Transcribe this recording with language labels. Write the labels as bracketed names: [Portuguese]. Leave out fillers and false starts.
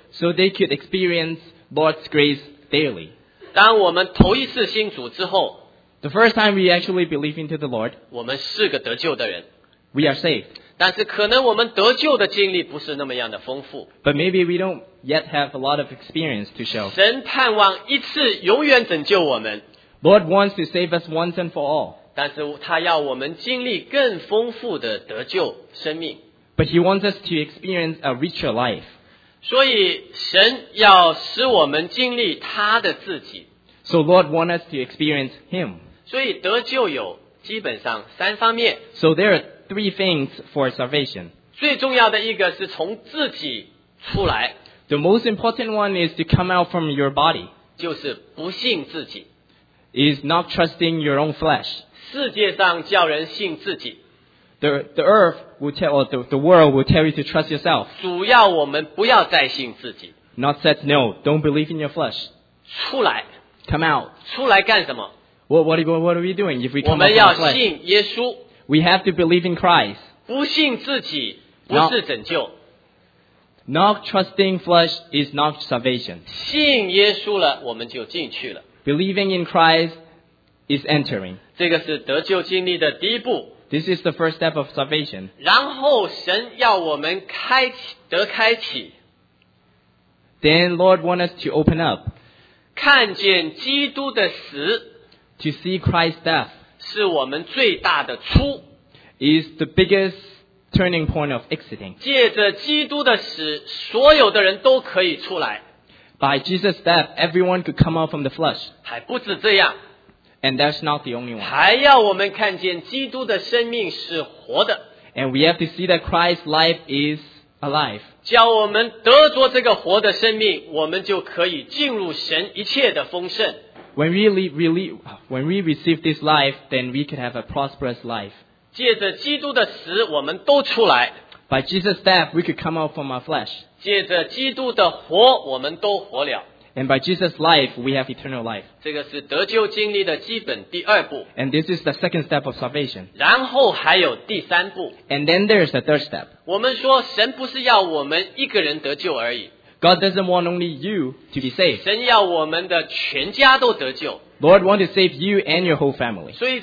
[English] So they could experience Lord's grace daily. [Chinese] 当我们头一次信主之后, [English] The first time we actually believe into the Lord, [Chinese] 我们是个得救的人。 [English] We are saved. [Chinese] 但是可能我们得救的经历不是那么样的丰富。 [English] But maybe we don't yet have a lot of experience to show. [Chinese] 神盼望一次永远拯救我们。 [English] Lord wants to save us once and for all. [Chinese] 但是他要我们经历更丰富的得救生命。 [English] But he wants us to experience a richer life. [Chinese] 所以神要使我们经历他的自己。 [English] So Lord wants us to experience him. [Chinese] 所以得救有基本上三方面。 [English] So there are three things for salvation. [Chinese] 最重要的一个是从自己出来。 [English] The most important one is to come out from your body. [Chinese] 就是不信自己。 [English] Is not trusting your own flesh. [Chinese] 世界上叫人信自己。 [English] The world will tell you to trust yourself. [Chinese] 主要我们不要再信自己。 [English] Not said no, don't believe in your flesh. [Chinese] 出来。 [English] Come out. [Chinese] 出来干什么? [English] What are we doing if we come out from our flesh? We have to believe in Christ. [Chinese] 不信自己不是拯救。 [English] Not trusting flesh is not salvation. [Chinese] 信耶稣了我们就进去了。 [English] Believing in Christ is entering. [Chinese] 这个是得救经历的第一步。 [English] This is the first step of salvation. [Chinese] 然后神要我们得开启。 [English] Then Lord wants us to open up. [Chinese] 看见基督的死, [English] to see Christ's death, [Chinese] 是我们最大的出, [English] is the biggest turning point of exiting. [Chinese] 借着基督的死, 所有的人都可以出来。 [English] By Jesus' death, everyone could come out from the flesh. [Chinese] 还不止这样, [English] and that's not the only one. [Chinese] 还要我们看见基督的生命是活的, [English] and we have to see that Christ's life is alive. [Chinese] 叫我们得着这个活的生命, 我们就可以进入神一切的丰盛。 [English] When we receive this life, then we can have a prosperous life. [Chinese] 借着基督的死, 我们都出来。 [English] By Jesus' death, we could come out from our flesh. [Chinese] 借着基督的活, 我们都活了。 [English] And by Jesus' life, we have eternal life. [Chinese] 这个是得救经历的基本第二步。 [English] And this is the second step of salvation. [Chinese] 然后还有第三步。 [English] And then there is the third step. [Chinese] 我们说神不是要我们一个人得救而已。 [English] God doesn't want only you to be saved. [Chinese] 神要我们的全家都得救。 [English] Lord wants to save you and your whole family.